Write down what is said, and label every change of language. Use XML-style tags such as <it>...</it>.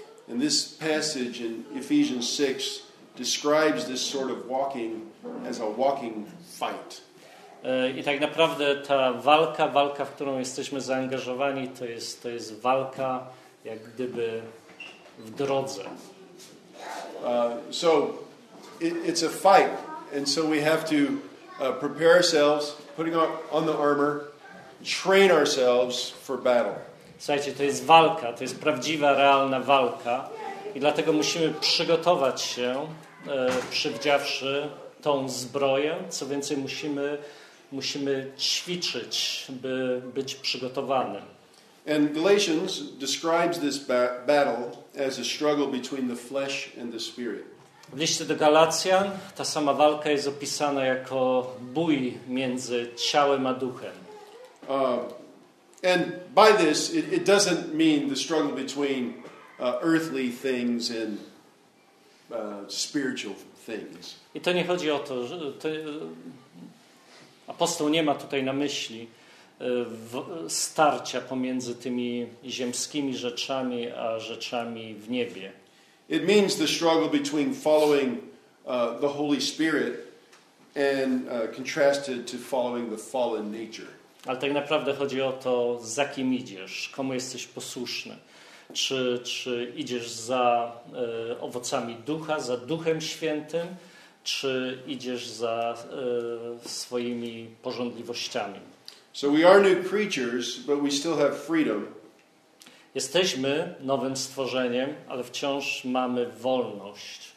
<en>And this passage in Ephesians 6 describes this sort of walking as a walking fight.</en> <pl>I tak naprawdę ta walka, w którą jesteśmy zaangażowani, to jest walka jak gdyby w drodze.</pl> <en>So it's a fight, and so we have to prepare ourselves, putting on the armor, train ourselves for battle.</en> <pl>Słuchajcie, to jest walka, to jest prawdziwa, realna walka i dlatego musimy przygotować się, przywdziawszy tą zbroję. Co więcej, musimy ćwiczyć, by być przygotowanym.</pl> <en>And Galatians describes this battle as a struggle between the flesh and the spirit.</en> <pl>W liście do Galacjan ta sama walka jest opisana jako bój między ciałem a duchem.</pl> <en>And by this, it doesn't mean the struggle between earthly things and spiritual things.</en> <pl>I to nie chodzi o to, że to, apostoł nie ma tutaj na myśli starcia pomiędzy tymi ziemskimi rzeczami a rzeczami w niebie.</pl> <en>It means the struggle between following the Holy Spirit and contrasted to following the fallen nature.</en> <pl>Ale tak naprawdę chodzi o to, za kim idziesz, komu jesteś posłuszny. Czy idziesz za owocami ducha, za Duchem Świętym, czy idziesz za swoimi pożądliwościami.</pl> <en>So we are new creatures, but we still have freedom.</en> <pl>Jesteśmy nowym stworzeniem, ale wciąż mamy wolność.</pl>